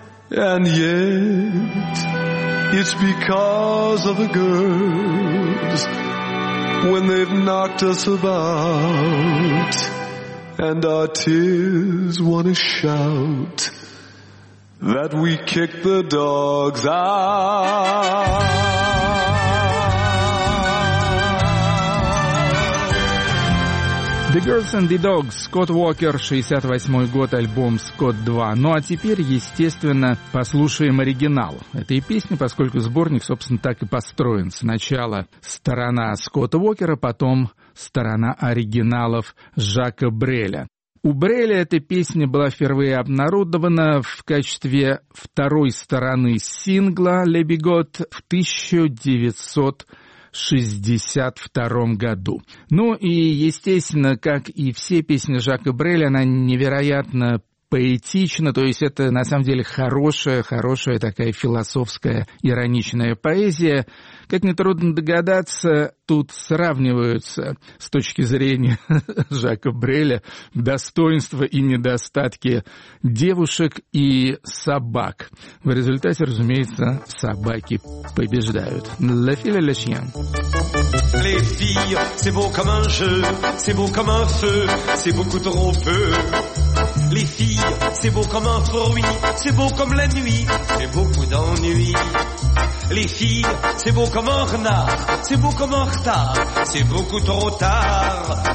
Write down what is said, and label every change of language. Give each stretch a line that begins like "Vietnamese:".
English: And yet, it's because of the girls, when they've knocked us about, and our tears want to shout, that we kick the dogs out.
Russian: The Girls and the Dogs, Скотт Уокер, 68-й год, альбом «Скотт 2». Ну а теперь, естественно, послушаем оригинал этой песни, поскольку сборник, собственно, так и построен. Сначала сторона Скотта Уокера, потом сторона оригиналов Жака Бреля. У Бреля эта песня была впервые обнародована в качестве второй стороны сингла «Le Bigot» в 1962 году. Ну и, естественно, как и все песни Жака Бреля, она невероятно поэтично, то есть это на самом деле хорошая такая философская ироничная поэзия. Как нетрудно догадаться, тут сравниваются с точки зрения Жака Бреля достоинства и недостатки девушек и собак. В результате, разумеется, собаки побеждают.
French: La fille et le chien. Les filles, c'est beau comme un jeu, c'est beau comme un feu, c'est beaucoup trop peu. Les filles, c'est beau comme un fruit, c'est beau comme la nuit, c'est beaucoup d'ennui. Les filles, c'est beau comme un renard, c'est beau comme un retard, c'est beaucoup trop tard.